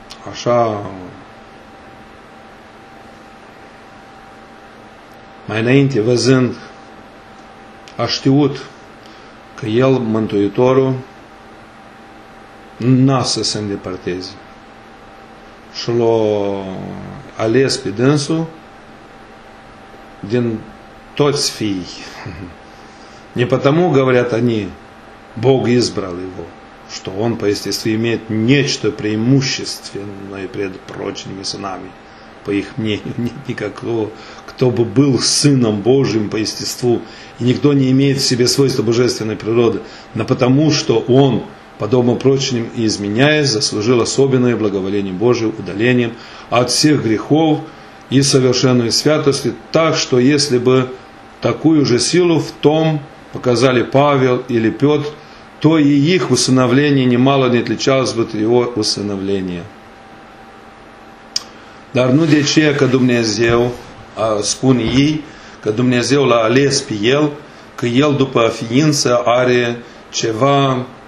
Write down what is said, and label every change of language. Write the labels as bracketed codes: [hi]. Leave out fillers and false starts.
[ro] așa mai înainte, văzând, a știut că El, Mântuitorul, n-a să se îndepărteze. Și l-a ales pe dânsul din toți fiii. [ru] Не потому, говорят они, Бог избрал его, что он по естеству имеет нечто преимущественное пред прочими сынами. По их мнению, нет никакого, кто бы был сыном Божьим по естеству, и никто не имеет в себе свойства божественной природы, но потому, что он, подобно прочим и изменяясь, заслужил особенное благоволение Божие удалением от всех грехов и совершенной святости, так что если бы такую же силу в том показали Павел или Петр, то и их усыновление немало не отличалось бы от его усыновления. [ro] Dar nu de aceea că Dumnezeu, spune ei, că Dumnezeu l-a ales pe el, că el după ființă are ceva